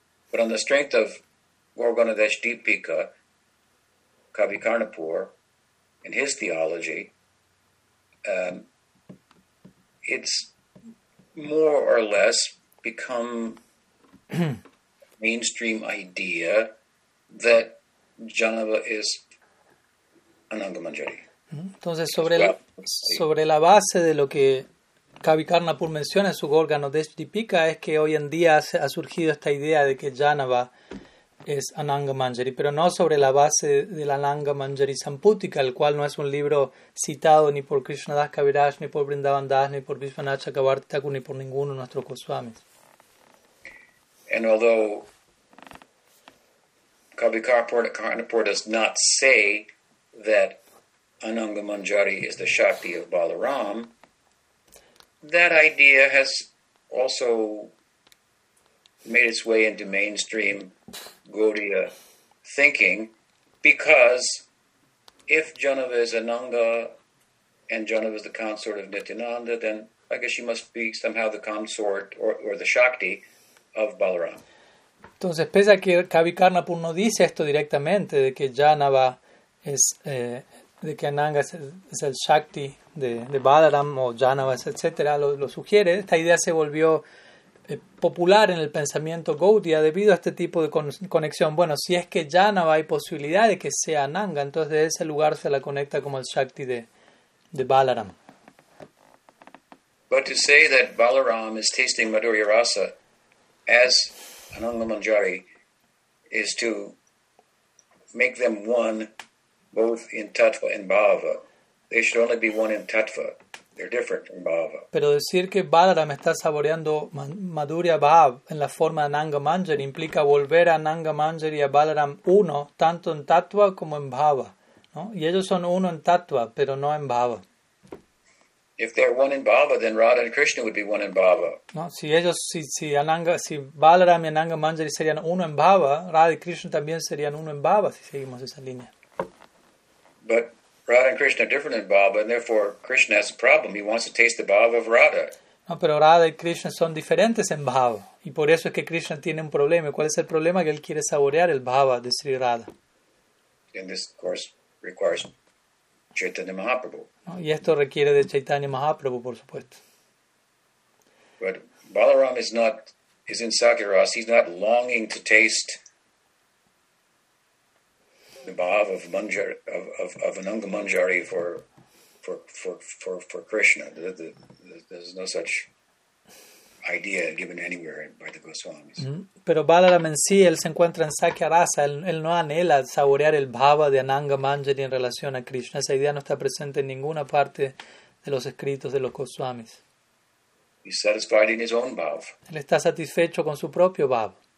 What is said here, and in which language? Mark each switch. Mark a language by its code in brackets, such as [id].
[en] But on the strength of Gorgona Deshtipika, Kavi Karnapur, and his theology, it's more or less become mainstream idea that Janava is Ananga Manjari. [es] Entonces, sobre la base de lo que Kavi Karnapur menciona en su Gorgano Deshtipika, es que hoy en día ha surgido esta idea de que Janava es Ananga Manjari, pero no sobre la base del Ananga Manjari Samputika, el cual no es un libro citado ni por Krishnadas Kaviraj, ni por Vrindavan Das, ni por Vishwanath Chakravarti Thakur, ni por ninguno de nuestros Goswamis. [en] And although Kavi Karnapur does not say that Ananga Manjari is the Shakti of Balaram, that idea has also made its way into mainstream Gaudiya thinking, because if Janava is Ananga and Janava is the consort of Nityananda, then I guess she must be somehow the consort or the Shakti of Balaram. [es] Entonces, pese a que Kavi Karnapur no dice esto directamente, de que Janava es, de que Ananga es el Shakti de Balaram o Janava, etc., lo sugiere, esta idea se volvió popular en el pensamiento Gaudiya debido a este tipo de conexión. Bueno, si es que Janava hay posibilidad de que sea Ananga, entonces de ese lugar se la conecta como el Shakti de Balaram. [en] But to say that Balaram is tasting Madhurya Rasa as Ananga Manjari is to make them one both in tattva and bhava. They should only be one in tattva. They're different in bhava. [es] Pero decir que Balaram está saboreando Madhurya Bhav en la forma de Ananga Manjari implica volver a Ananga Manjari y a Balaram uno, tanto en tattva como en bhava, ¿no? Y ellos son uno en tattva, pero no en bhava. [en] If they're one in bhava, then Radha and Krishna would be one in bhava. [es] No, si Balaram y Ananga Manjari serían uno en bhava, Radha y Krishna también serían uno en bhava, si seguimos esa línea. [en] But Radha and Krishna are different in bhava, and therefore Krishna has a problem. He wants to taste the bhava of Radha. [es] No, pero Radha y Krishna son diferentes en bhava, y por eso es que Krishna tiene un problema. ¿Cuál es el problema? Que él quiere saborear el bhava de Sri Radha. [en] And this, of course, requires Chaitanya Mahaprabhu. [es] No, y esto requiere de Chaitanya Mahaprabhu, por supuesto. [en] But Balaram is in Sakiras. He's not longing to taste the bhav of Ananga Manjari for Krishna. There's no such idea given anywhere by the Goswamis. [es] Pero Balaram en sí, él se encuentra en Sakya Rasa, él no anhela saborear el bhava de Ananga Manjari en relación a Krishna. Esa idea no está presente en ninguna parte de los escritos de los Goswamis. [en] He's satisfied in his own bhava. [es] Él está satisfecho con su propio bhava.